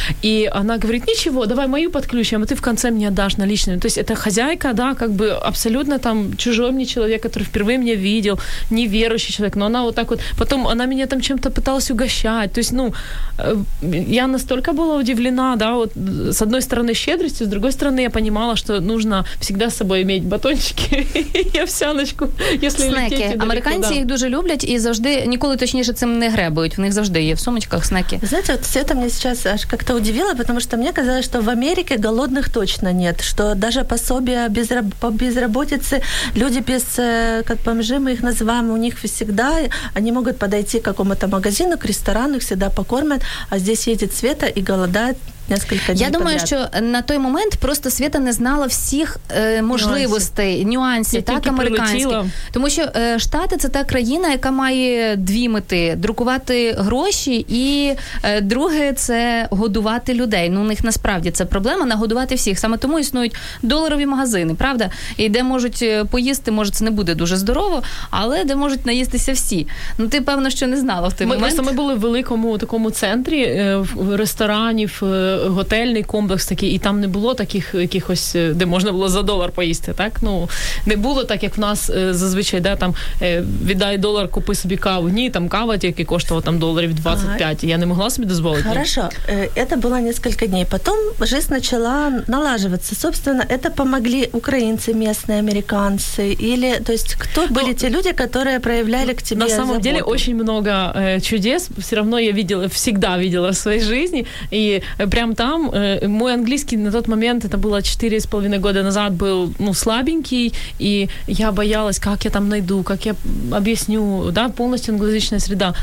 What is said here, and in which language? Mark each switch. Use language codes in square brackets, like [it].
[ru] и она говорит, ничего, давай мою подключим, а ты в конце мне отдашь наличные. То есть это хозяйка, да, как бы абсолютно там чужой мне человек, который впервые меня видел, неверующий человек, но она вот так вот, потом она меня там чем-то пыталась угощать, то есть, ну, я настолько была удивлена, да, вот с одной стороны щедростью, с другой стороны я понимала, что нужно всегда с собой иметь батончики и овсяночку, если лететь далеко. [uk] Американці їх дуже люблять і завжди, ніколи точніше цим не гребують. В них завжди є в сумочках снеки. [ru] Знаете, вот Света мне сейчас аж как-то удивило, потому что мне казалось, что в Америке голодных точно нет, что даже пособия по безработице, люди без, как бомжи мы их называем, у них всегда, они могут подойти к какому-то магазину, к ресторану, их всегда покормят, а здесь едет Света и голодает. [uk] Я думаю, що на той момент просто Света не знала всіх можливостей, нюансів, так, американських. Прилетіло. Тому що Штати – це та країна, яка має дві мети – друкувати гроші і друге – це годувати людей. Ну, у них насправді це проблема – нагодувати всіх. Саме тому існують доларові магазини, правда? І де можуть поїсти, може, це не буде дуже здорово, але де можуть наїстися всі. Ну, ти, певно, що не знала в той момент. Просто ми були в великому такому центрі ресторанів, готельний комплекс такий, і там не було таких якихось, де можна було за долар поїсти, так? Ну, не було так, як в нас зазвичай, да, там віддай долар, купи собі каву. Ні, там кава тільки коштувала там доларів 25. Ага. Я не могла собі дозволити. [ru] Хорошо. Это [uk] було [ru] несколько [uk] днів. Потім життя почала налажуватися. [ru] Собственно, это [uk] помогли українці, місцеві, американці, [ru] или, то есть, [uk] хто були ті люди, які проявляли [ru] к тебе заботу? На самом деле, очень много чудес. Все равно я видела, всегда видела в своей жизни, и прям прямо там. Мой английский на тот момент, это было 4,5 года назад, был слабенький, и я боялась, как я там найду, как я объясню, да, полностью англоязычная среда.